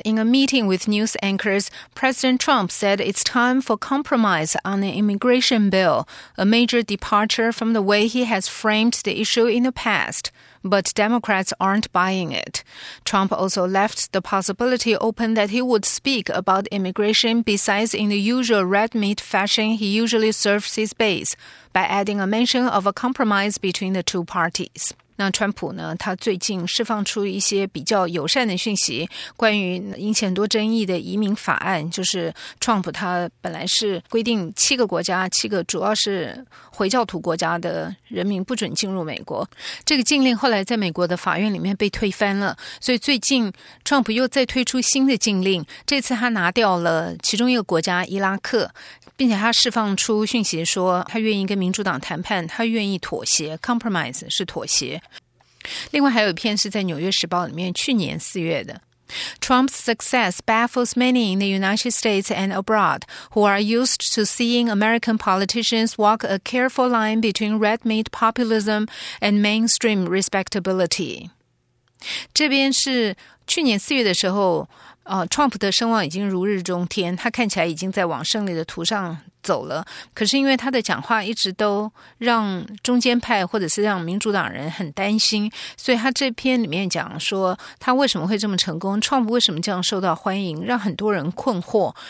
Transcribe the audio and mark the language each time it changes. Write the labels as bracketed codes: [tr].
[en] In a meeting with news anchors, President Trump said it's time for compromise on an immigration bill, a major departure from the way he has framed the issue in the past. But Democrats aren't buying it. Trump also left the possibility open that he would speak about immigration besides in the usual red meat fashion he usually serves his base, by adding a mention of a compromise between the two parties. [zh] 那川普呢，他最近释放出一些比较友善的讯息，关于引起很多争议的移民法案，就是 Trump 他本来是规定七个主要是回教徒国家的人民不准进入美国，这个禁令后来在美国的法院里面被推翻了，所以最近 Trump 又再推出新的禁令，这次他拿掉了其中一个国家伊拉克，并且他释放出讯息说他愿意跟民主党谈判，他愿意妥协 compromise 是妥协。另外还有一篇是在纽约时报里面去年四月的 [en] Trump's success baffles many in the United States and abroad who are used to seeing American politicians walk a careful line between red meat populism and mainstream respectability。 [zh] 这边是去年四月的时候Trump 的声望已经如日中天，他看起来已经在往胜利的途上走了，可是因为他的讲话一直都让中间派或者是让民主党人很担心，所以他这篇里面讲说他为什么会这么成功， Trump 为什么这样受到欢迎，让很多人困惑。